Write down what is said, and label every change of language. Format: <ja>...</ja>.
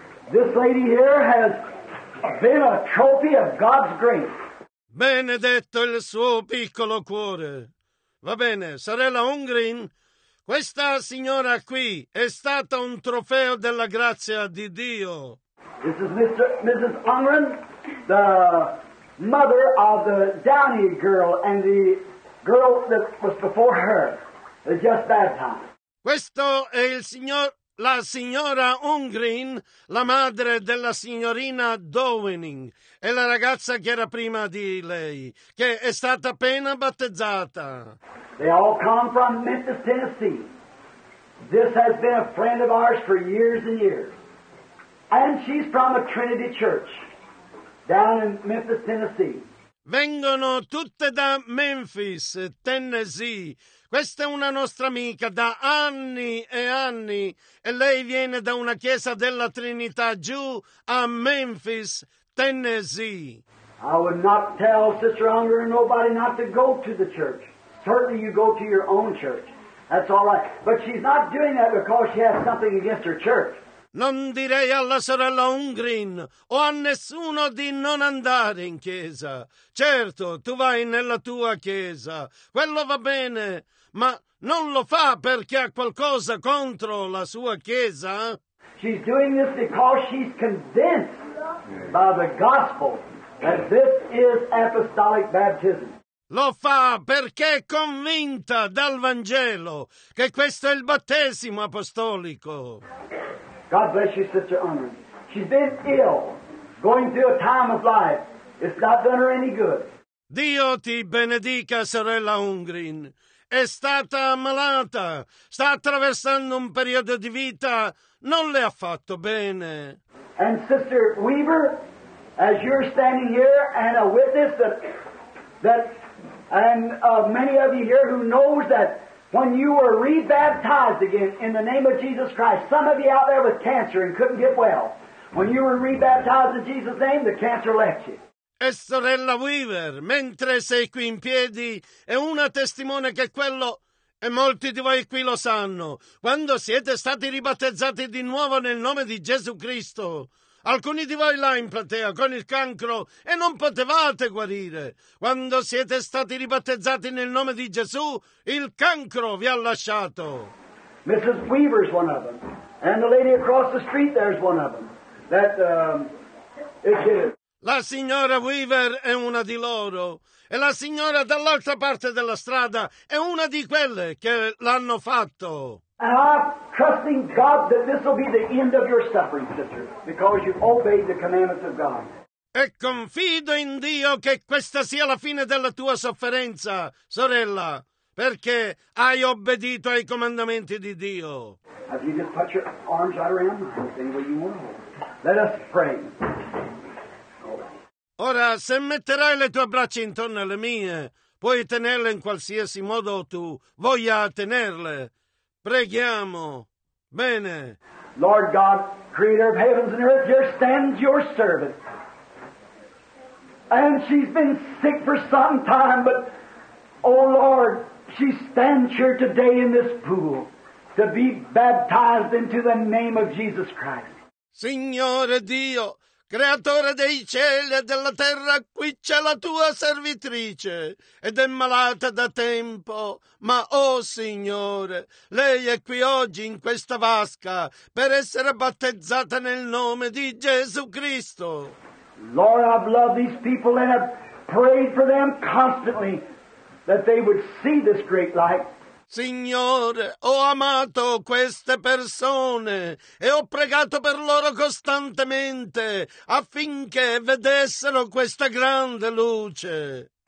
<en>This lady here has been a trophy of God's grace.</en> <it>Benedetto il suo piccolo cuore. Va bene, sorella Ungrin, questa signora qui è stata un trofeo della grazia di Dio.</it> <en>This is Mrs. Ungrin, the mother of the Downey girl and the girl that was before her, just baptized.</en> <it>Questo è il signor, la signora Ungrin, la madre della signorina Downing e la ragazza che era prima di lei, che è stata appena battezzata.</it> <en>They all come from Memphis, Tennessee. This has been a friend of ours for years and years. And she's from a Trinity Church down in Memphis, Tennessee.</en> <it>Vengono tutte da Memphis, Tennessee. Questa è una nostra amica da anni e anni e lei viene da una chiesa della Trinità giù a Memphis, Tennessee.</it> <en>I would not tell Sister Unger or nobody not to go to the church. Certainly you go to your own church. That's all right. But she's not doing that because she has something against her church.</en> <it>Non direi alla sorella Ungrin o a nessuno di non andare in chiesa. Certo, tu vai nella tua chiesa, quello va bene, ma non lo fa perché ha qualcosa contro la sua chiesa.</it> <en>She's doing this because she's convinced by the gospel that this is apostolic baptism.</en> <it>Lo fa perché è convinta dal Vangelo che questo è il battesimo apostolico.</it> <en>God bless you, Sister Unger. She's been ill, going through a time of life. It's not done her any good.</en> <it>Dio ti benedica, sorella Ungrin. È stata malata. Sta attraversando un periodo di vita. Non le ha fatto bene.</it> <en>And Sister Weaver, as you're standing here and a witness that, many of you here who knows that when you were rebaptized again in the name of Jesus Christ, some of you out there with cancer and couldn't get well, when you were rebaptized in Jesus' name, the cancer left you.</en> <it>E sorella Weaver, mentre sei qui in piedi, è una testimone che quello, e molti di voi qui lo sanno, quando siete stati ribattezzati di nuovo nel nome di Gesù Cristo, alcuni di voi là in platea con il cancro e non potevate guarire. Quando siete stati ribattezzati nel nome di Gesù, il cancro vi ha lasciato.</it> <en>Mrs. Weaver's one of them. And the lady across the street there's one of them. That it's it.</en> <it>La signora Weaver è una di loro. E la signora dall'altra parte della strada è una di quelle che l'hanno fatto.</it> <en>And I'm trusting God that this will be the end of your suffering, sister, because you've obeyed the commandments of God.</en> <it>E confido in Dio che questa sia la fine della tua sofferenza, sorella, perché hai obbedito ai comandamenti di Dio.</it> <en>If you just put your arms right around me, any way you want to hold. Let us pray.</en> <it>Ora, se metterai le tue braccia intorno alle mie, puoi tenerle in qualsiasi modo tu voglia tenerle. Preghiamo. Bene.</it> <en>Lord God, creator of heavens and earth, here stands your servant. And she's been sick for some time, but, oh Lord, she stands here today in this pool to be baptized into the name of Jesus Christ.</en> <it>Signore Dio, creatore dei cieli e della terra, qui c'è la tua servitrice ed è malata da tempo. Ma, oh Signore, lei è qui oggi in questa vasca per essere battezzata nel nome di Gesù Cristo.</it> <en>Lord, I've loved these people and have prayed for them constantly that they would see this great light.</en> <it>Signore, ho amato queste persone e ho pregato per loro costantemente affinché vedessero questa grande luce.</it>